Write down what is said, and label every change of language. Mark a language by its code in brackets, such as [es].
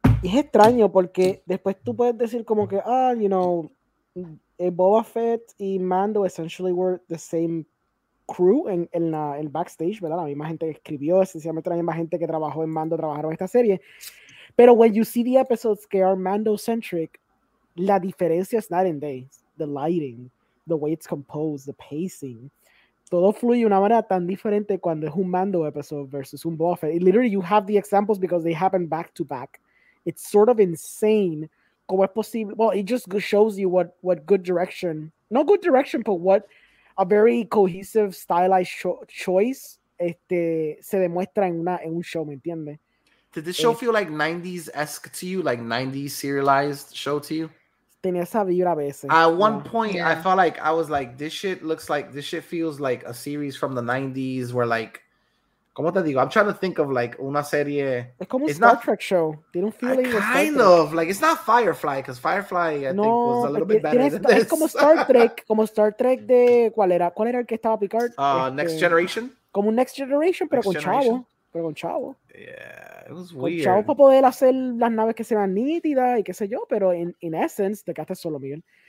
[es] Es extraño porque después tú puedes decir como que, [en] you know, [es] Boba Fett y Mando [en] essentially were the same crew [es] en backstage, ¿verdad? La misma gente que escribió, esencialmente la misma gente que trabajó en Mando, trabajaron esta serie. Pero [en] when you see the episodes [es] que [en] are Mando-centric, [es] la diferencia es [en] night and day. The lighting, the way it's composed, the pacing. [es] Todo fluye de una manera tan diferente cuando es un Mando episode versus un Boba Fett. [en] Literally, you have the examples because they happen back to back. It's sort of insane. [es] Como es posible, [en] well, it just shows you what good direction, not good direction, but what a very cohesive, stylized choice [es] se demuestra en un show, ¿me entiende? [en] Did this show feel like 90s-esque to you, like 90s serialized show to you? [es] Tenía esa vibra a veces. [en] At one point, yeah. I felt like I was like, this shit feels like a series from the 90s where like, [es] ¿cómo te digo? [en] I'm trying to think of like [es] una serie. [en] It's [es] como [en] a Star Trek show. They don't feel like kind of like it's not Firefly because Firefly think was a little bit better than this. [es] Es como Star Trek de ¿cuál era el que estaba Picard? [en] Next Generation. [es] Como un Next Generation pero con chavo. Pero con chavo. [en] Yeah, it was weird. [es] Con chavo para poder hacer las naves que se vean nítidas y qué sé yo, pero [en] in essence, [es] te quedaste solo bien.